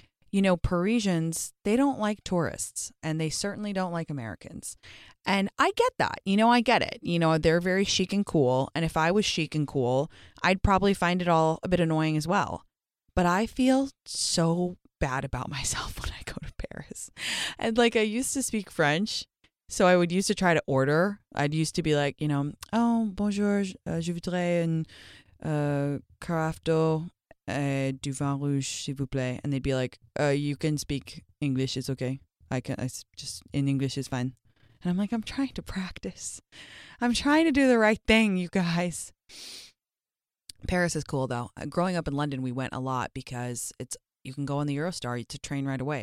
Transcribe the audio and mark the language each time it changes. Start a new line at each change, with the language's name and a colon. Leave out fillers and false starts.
English: You know, Parisians, they don't like tourists and they certainly don't like Americans. And I get that. You know, I get it. You know, they're very chic and cool. And if I was chic and cool, I'd probably find it all a bit annoying as well. But I feel so bad about myself when I go to Paris. And like, I used to speak French. So I would used to try to order. I'd used to be like, you know, oh,
French: bonjour, je voudrais un carafe du vin rouge, s'il vous plaît.
English: And they'd be like, you can speak English. It's okay. I just in English is fine. And I'm like, I'm trying to practice. I'm trying to do the right thing, you guys. Paris is cool, though. Growing up in London, we went a lot because you can go on the Eurostar to train right away.